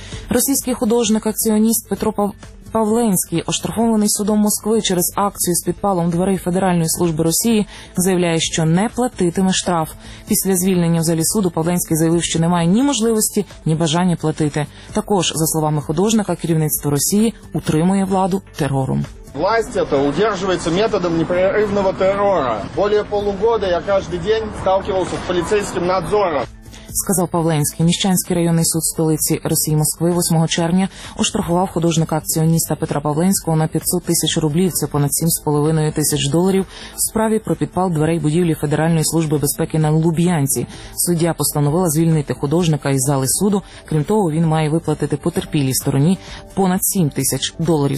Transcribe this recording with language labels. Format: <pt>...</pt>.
<uk>Російський художник-акціоніст Петро Павленський, оштрафований судом Москви через акцію з підпалом дверей Федеральної служби Росії, заявляє, що не платитиме штраф. Після звільнення в залі суду Павленський заявив, що немає ні можливості, ні бажання платити. Також, за словами художника, керівництво Росії утримує владу терором.</uk> <ru>Власть эта удерживается методом непрерывного террора. Более полугода я каждый день сталкивался с полицейским надзором.</ru> <uk>Сказав Павленський. Міщанський районний суд столиці Росії Москви 8 червня оштрафував художника-акціоніста Петра Павленського на 500 тисяч рублів, це понад 7,5 тисяч доларів, в справі про підпал дверей будівлі Федеральної служби безпеки на Луб'янці. Суддя постановила звільнити художника із зали суду. Крім того, він має виплатити потерпілій стороні понад 7 тисяч доларів.</uk>